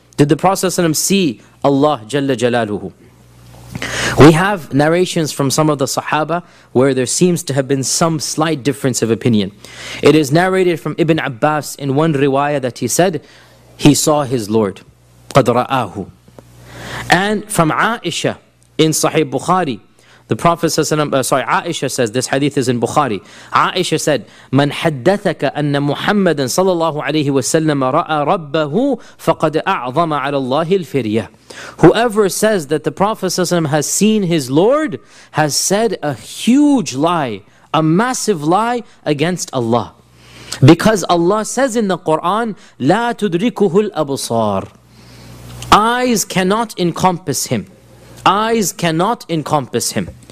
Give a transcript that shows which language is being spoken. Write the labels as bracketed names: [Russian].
[English] Did the Prophet ﷺ see Allah Jalla Jalaluhu? We have narrations from some of the Sahaba where there seems to have been some slight difference of opinion. It is narrated from Ibn Abbas in one riwayah that he said, he saw his Lord, [Arabic] قَدْ رَآهُ. [English] And from Aisha in Sahih Bukhari, the Prophet Aisha says, this hadith is in Bukhari. [Arabic] Aisha said, مَنْ حَدَّثَكَ أَنَّ مُحَمَّدًا صَلَى اللَّهُ عَلَيْهِ وَسَلَّمَ رَأَى رَبَّهُ فَقَدْ أَعْظَمَ عَلَى اللَّهِ الْفِرْيَةِ. [English] Whoever says that the Prophet has seen his Lord has said a huge lie, a massive lie against Allah. Because Allah says in the Quran, [Arabic] لا تدركه الأبصار. [English] Eyes cannot encompass him. Eyes cannot encompass him.